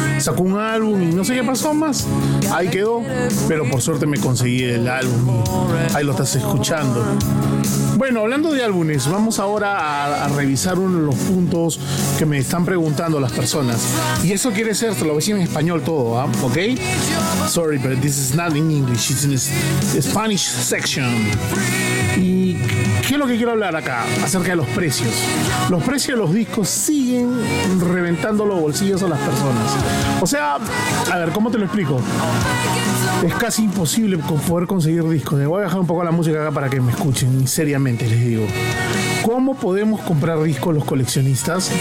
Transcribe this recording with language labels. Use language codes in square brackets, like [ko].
[es] Sacó un álbum y no sé qué pasó más. Ahí quedó, pero por suerte me conseguí el álbum. Ahí lo estás escuchando. Bueno, hablando de álbumes, vamos ahora a revisar uno de los puntos que me están preguntando las personas. Y eso quiere ser, te lo voy a decir en español todo, ¿eh? ¿Ok? [en] Sorry, but this is not in English, it's in the Spanish section. [es] ¿Y qué es lo que quiero hablar acá? Acerca de los precios. Los precios de los discos siguen reventando los bolsillos a las personas. O sea, a ver, ¿cómo te lo explico? Es casi imposible poder conseguir discos. Voy a bajar un poco la música acá para que me escuchen. Y seriamente les digo, ¿cómo podemos comprar discos los coleccionistas?